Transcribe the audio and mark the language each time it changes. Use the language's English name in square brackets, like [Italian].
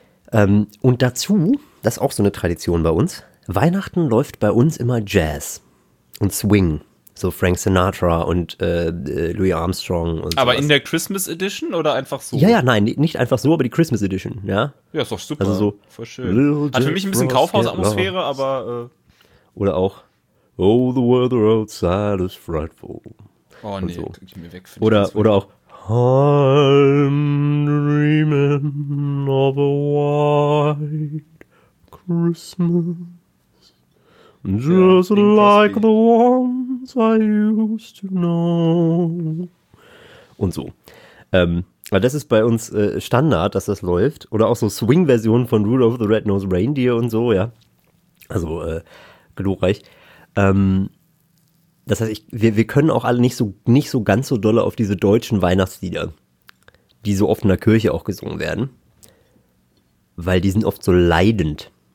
[German] Und dazu, das ist auch so eine Tradition bei uns, Weihnachten läuft bei uns immer Jazz und Swing. So Frank Sinatra und Louis Armstrong und so. Aber sowas. In der Christmas Edition oder einfach so? Ja, ja, nein, nicht einfach so, aber die Christmas Edition, ja. Ja, ist doch super. Also so, voll schön. Hat für mich ein bisschen Kaufhaus-Atmosphäre, aber. Oder auch, [English] oh, the weather outside is frightful. [German] Oh, und nee, so. Krieg ich mir weg. Oder auch, [English] I'm dreaming of a white Christmas. Just ja, like the ones I used to know. [German] Und so. Weil das ist bei uns Standard, dass das läuft. Oder auch so Swing-Versionen von Rudolph the Red-Nosed Reindeer und so, ja. Also, glorreich. Das heißt, wir können auch alle nicht so ganz so dolle auf diese deutschen Weihnachtslieder, die so oft in der Kirche auch gesungen werden, weil die sind oft so leidend.